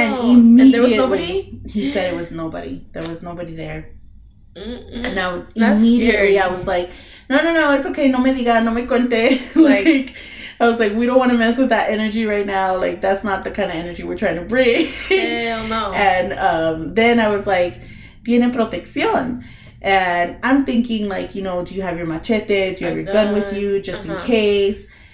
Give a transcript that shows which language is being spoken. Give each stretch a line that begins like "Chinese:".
English: And immediately. And there was nobody? He said it was nobody. There was nobody there. Mm-mm. And I was I was like, no, it's okay.
Spanish: No me diga, no me cuente.
English: Like, I was like, we don't want to mess with that energy right now. Like, that's not the kind of energy we're trying to bring. Hell no. And then I was like,
Spanish: tiene protección.
English: And I'm thinking, like, you know, do you have your machete? Do you have your gun with you just in case?